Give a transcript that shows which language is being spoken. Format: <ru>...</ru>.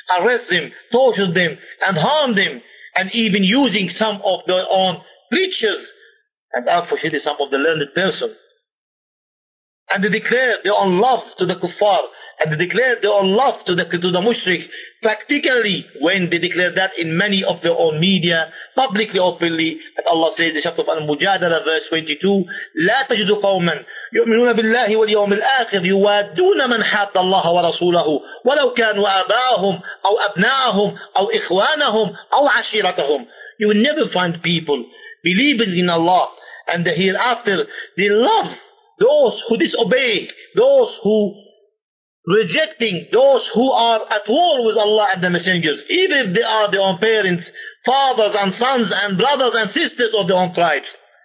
<en>Arrest them, torture them, and harm them. And even using some of their own preachers. And unfortunately, some of the learned person. And they declare their own love to the kuffar, and they declare their own love to the mushrik, practically when they declare that in many of their own media, publicly, openly. And Allah says in the chapter of Al-Mujadala, verse 22,</en> <ar>لَا تَجِدُ قَوْمًا يُؤْمِنُونَ بِاللَّهِ وَالْيَوْمِ الْآخِرِ يُوَادُّونَ مَنْ حَاطَّ اللَّهَ وَرَسُولَهُ وَلَوْ كَانُوا آبَاءَهُمْ أَوْ أَبْنَاءَهُمْ أَوْ إِخْوَانَهُمْ أَوْ عَشِيرَتَهُمْ.</ar> <en>You will never find people believing in Allah and the hereafter, they love those who disobey, those who rejecting, those who are at war with Allah and the messengers, even if they are their own parents, fathers and sons and brothers and sisters of their own tribes.</en>